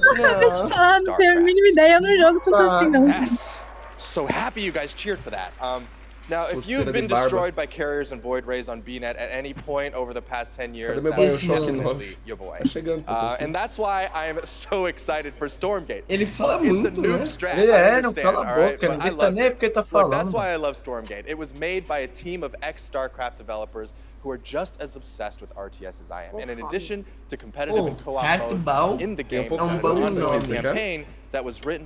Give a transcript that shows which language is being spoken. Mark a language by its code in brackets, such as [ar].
[pt] Não tenho a mínima ideia, eu não jogo tudo assim, não. [en] So happy you guys cheered for that. Now, if you've been destroyed by carriers and void rays on BNet at any point over the past 10 years, that is definitely your boy. And that's why I'm so excited for Stormgate. [pt] Ele fala muito, né? Strat, ele é, não cala a boca, ninguém tá nem porque tá falando. [en] Look, that's why I love Stormgate. It was made by a team of ex-StarCraft developers who are just as obsessed with RTS as I am. And in addition to competitive and co-op modes in the game, [pt] é um bom nome, [en] campaign, that was written